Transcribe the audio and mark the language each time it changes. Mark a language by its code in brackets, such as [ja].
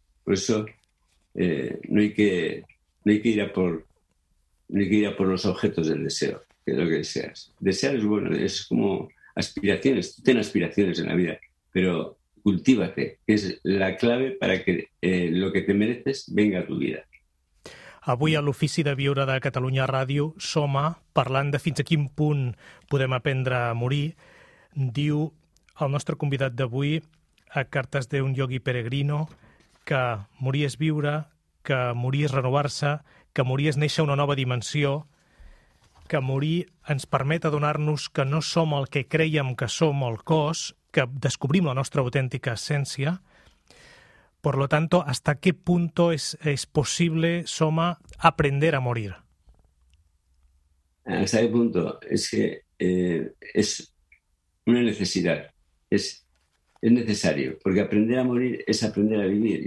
[es] Por eso no hay que ir a por los objetos del deseo, que es lo que deseas. Desear es bueno, es como aspiraciones. Tú ten aspiraciones en la vida, pero cultívate, que es la clave para que lo que te mereces venga a tu vida. [ca] Avui a l'Ofici de Viure de Catalunya Ràdio, Soma, parlant de fins a quin punt podem aprendre a morir, diu el nostre convidat d'avui, a Cartes d'un Yogi Peregrino, que morir és viure, que morir és renovar-se, que morir és néixer una nova dimensió, que morir ens permet adonar-nos que no som el que creiem que som, el cos, que descobrim la nostra autèntica essència. [es] Por lo tanto, ¿hasta qué punto es posible, Soma, aprender a morir? ¿Hasta qué punto? Es que es una necesidad. Es necesario, porque aprender a morir es aprender a vivir.